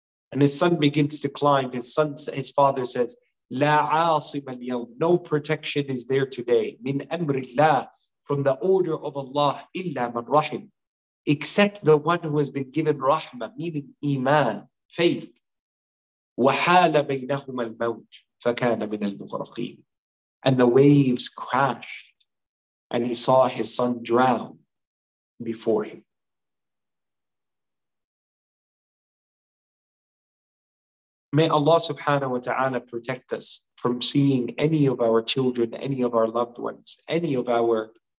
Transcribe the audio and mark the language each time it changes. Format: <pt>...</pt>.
<en>And his son begins to climb. His father says,</en> <ar>La عاصم اليوم,</ar> <en>no protection is there today.</en> <ar>من أمر الله,</ar> <en>from the order of Allah,</en> <ar>إلا من رحم,</ar> <en>except the one who has been given rahmah, meaning iman, faith.</en> <ar>وحال بينهما الموت فكان من المغرقين.</ar> <en>And the waves crashed, and he saw his son drown before him. May Allah subhanahu wa ta'ala protect us from seeing any of our children, any of our loved ones, any of our</en>